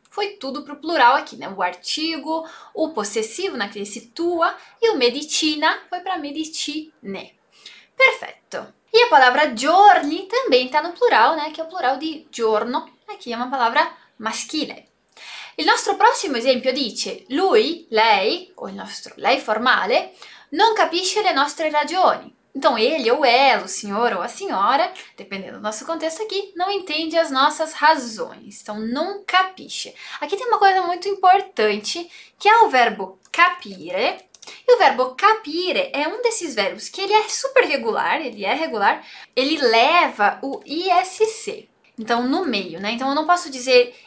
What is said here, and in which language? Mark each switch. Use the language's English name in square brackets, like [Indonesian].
[Portuguese] Foi tudo pro plural aqui, né? O artigo, o possessivo, né? Que é esse tua, e o medicina foi para medicine. Perfeito. E a palavra giorni também tá no plural, né? Que é o plural [Italian] di giorno. [Portuguese] Aqui é uma palavra maschile. [Italian] Il nostro prossimo esempio dice: lui, lei, o il nostro lei formale, non capisce le nostre ragioni. [Portuguese] Então, ele ou ela, o senhor ou a senhora, dependendo do nosso contexto aqui, não entende as nossas razões. Então, non capisce. Aqui tem uma coisa muito importante, que é o verbo capire. E o verbo capire é um desses verbos que ele é super regular, ele é regular, ele leva o ISC. Então, no meio, né? Então, eu não posso dizer